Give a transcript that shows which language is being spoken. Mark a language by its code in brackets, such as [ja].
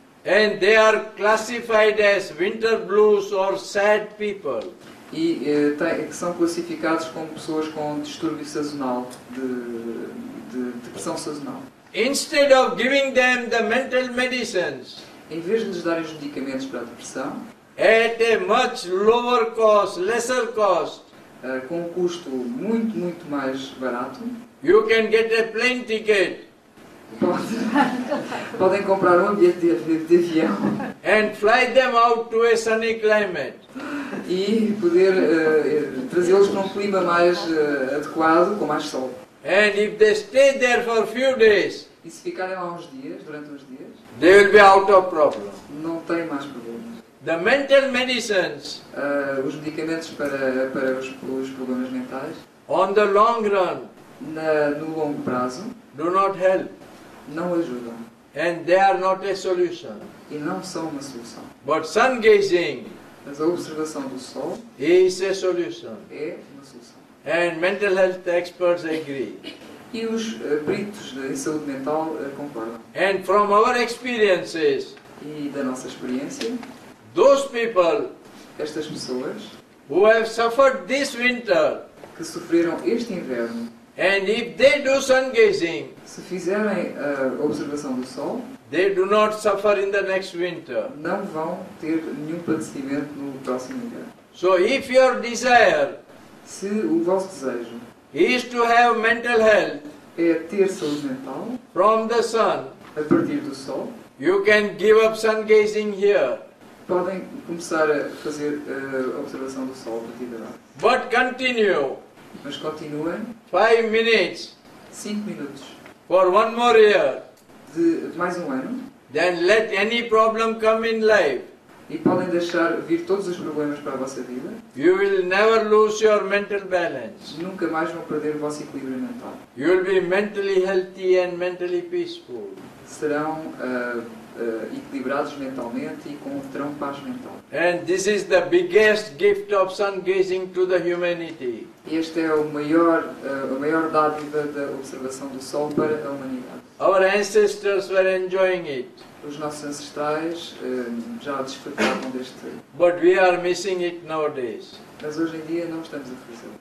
[en] And they are classified as winter blues or sad people. [pt] E são classificados como pessoas com distúrbio sazonal, de depressão sazonal. [en] Instead of giving them the mental medicines, [pt] em vez de lhes darem os medicamentos para a depressão, [en] at a much lower cost, lesser cost, [pt] com um custo muito, muito mais barato, [en] you can get a plane ticket. [pt] Podem comprar um bilhete de avião [en] and fly them out to a sunny climate. [pt] E poder trazê-los para um clima mais adequado, com mais sol. [en] And if they stay there for few days, [pt] e se ficarem lá durante uns dias, [en] they will be out of problem. [pt] Não têm mais problemas. [en] The mental medicines, [pt] os medicamentos para os problemas mentais, [en] on the long run, [pt] no longo prazo, [en] do not help. [pt] Não ajudam. [en] And they are not a solution. [pt] E não são uma solução. [en] But sun gazing, [pt] mas a observação do sol, [en] is a solution. [pt] É uma solução. [en] And mental health experts agree. [pt] E os peritos de saúde mental concordam. [en] And from our experiences, [pt] e da nossa experiência, [en] those people, [pt] estas pessoas, [en] who have suffered this winter, [pt] que sofreram este inverno, [en] and if they do sun gazing, [pt] se fizerem a observação do sol, [en] they do not suffer in the next winter. [pt] Não vão ter nenhum padecimento no próximo inverno. [en] So if your desire, [pt] se o vosso desejo, [en] is to have mental health, [pt] é ter saúde mental, [en] from the sun, [pt] a partir do sol, [en] you can give up sun gazing here. [pt] Podem começar a fazer a observação do sol a partir de lá. [en] But continue. [pt] Mas continuem. [en] 5 minutes. 5 minutes. For one more year. [pt] De mais um ano. [en] Then let any problem come in life. [pt] E podem deixar vir todos os problemas para a vossa vida. [en] You will never lose your mental balance. [pt] Nunca mais vão perder o vosso equilíbrio mental. [en] You will be mentally healthy and mentally peaceful. [pt] Serão equilibrados mentalmente e terão paz mental. [en] And this is the biggest gift of sun gazing to the humanity. [pt] Este é o maior dádiva da observação do sol para a humanidade. [en] Our ancestors were enjoying it. [pt] Os nossos ancestrais já desfrutavam deste. [en] But we are missing it nowadays. [pt] Mas hoje em dia não estamos a fazer.